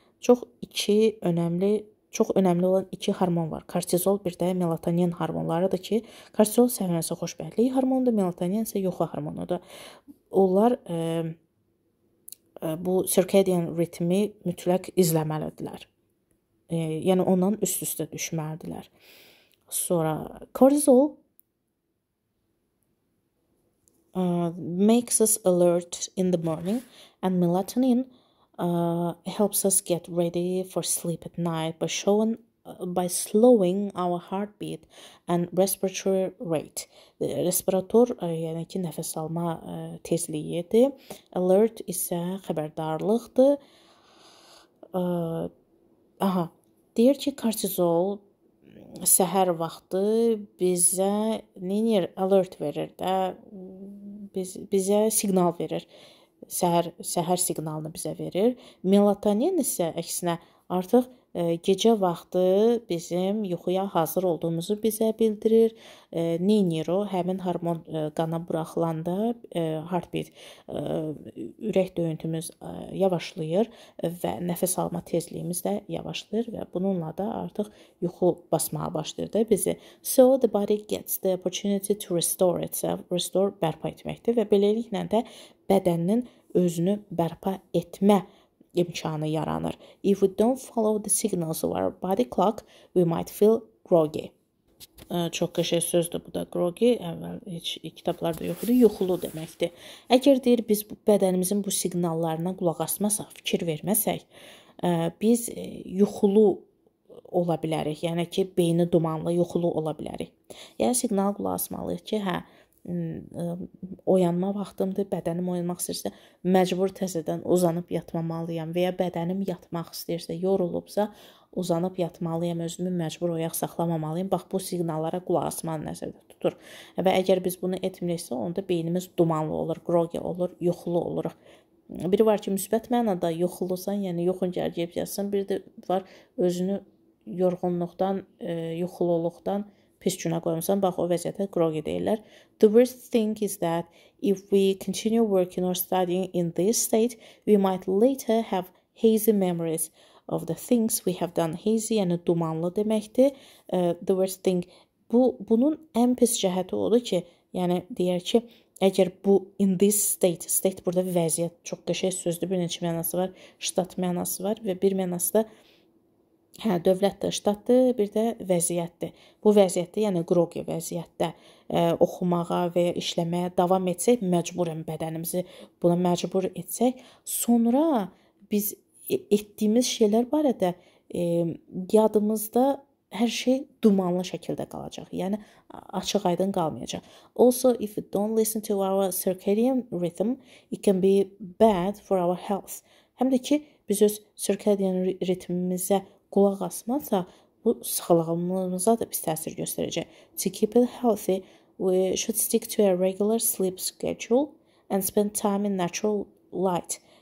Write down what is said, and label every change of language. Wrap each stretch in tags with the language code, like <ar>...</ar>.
<az>Çox iki önemli Çox önəmli olan iki hormon var. Kortizol bir də melatonin hormonlarıdır ki, kortizol səhvənsə xoşbəxtlik hormonudur, melatonin isə yuxu hormonudur. Onlar bu circadian ritmi mütləq izləməlidirlər. Yəni ondan üst-üstə düşməlidirlər. Sonra</az> <en>kortizol makes us alert in the morning and melatonin helps us get ready for sleep at night by showing by slowing our heartbeat and respiratory rate.</en> <az>Respirator yəni ki nəfəs alma tezliyidir. Alert isə xəbərdarlıqdır. Aha. Deyir ki kortizol səhər vaxtı bizə nəyir alert verir də bizə siqnal verir. Səhər siqnalını bizə verir. Melatonin isə əksinə artıq gecə vaxtı bizim yuxuya hazır olduğumuzu bizə bildirir. Neyniro həmin hormon qana buraxılanda heartbeat ürək döyüntümüz yavaşlayır və nəfəs alma tezliyimiz də yavaşlayır və bununla da artıq yuxu basmağa başlayır da bizi.</az> <en>So the body gets the opportunity to restore itself,</en> <az>restore bərpa etməkdir və beləliklə də bədəninin özünü bərpa etmə imkanı yaranır.</az> <en>If we don't follow the signals of our body clock, we might feel groggy.</en> <az>Çox qəşəng sözdür bu da groggy. Əvvəl heç kitablarda yox idi. Yuxulu deməkdir. Əgər deyir biz bədənimizin bu siqnallarına qulaq asmasaq, fikir verməsək, biz yuxulu ola bilərik. Yəni ki, beyni dumanlı yuxulu ola bilərik. Yəni siqnal qulaq asmalıyıq ki, hə, oyanma vaxtımdır, bədənim oyanmaq istəyirsə, məcbur təzədən uzanıb yatmamalıyam və ya bədənim yatmaq istəyirsə, yorulubsa, uzanıb yatmalıyam, özümü məcbur oyaq saxlamamalıyam. Bax, bu siqnallara qulaq asmanı nəzərdə tutur. Və əgər biz bunu etmiriksə, onda beynimiz dumanlı olur, groggy olur, yuxulu oluruq. Biri var ki, müsbət mənada yuxulusan, yəni yuxun gərgəyib yatsan, bir də var özünü yorğunluqdan, yuxululuqdan pis günə qoymasan, bax, o vəziyyətə groggy deyirlər.</az> <en>The worst thing is that if we continue working or studying in this state, we might later have hazy memories of the things we have done.</en> <az>Hazy, yəni dumanlı deməkdir.</az> <en>The worst thing,</en> <az>bunun ən pis cəhəti odur ki, yəni deyər ki, əgər bu</az> <en>in this state,</en> <az>state burada vəziyyət çox qəşəng sözdür, bir neçə mənası var, ştat mənası var və bir mənası da Hə, dövlətdir, ştatdır, bir də vəziyyətdir. Bu vəziyyətdə, yəni qroqi vəziyyətdə oxumağa və ya işləməyə davam etsək, məcburən bədənimizi buna məcbur etsək, sonra biz etdiyimiz şeylər barədə yadımızda hər şey dumanlı şəkildə qalacaq. Yəni, açıq aydın qalmayacaq.</az> <en>Also, if we don't listen to our circadian rhythm, it can be bad for our health.</en> <az>Həm də ki, biz öz circadian ritmimizə Qulaq asmasa, bu sağlığımıza da pis təsir göstərəcək.</az> <en>To keep it healthy, we should stick to a regular sleep schedule and spend time in natural light.</en>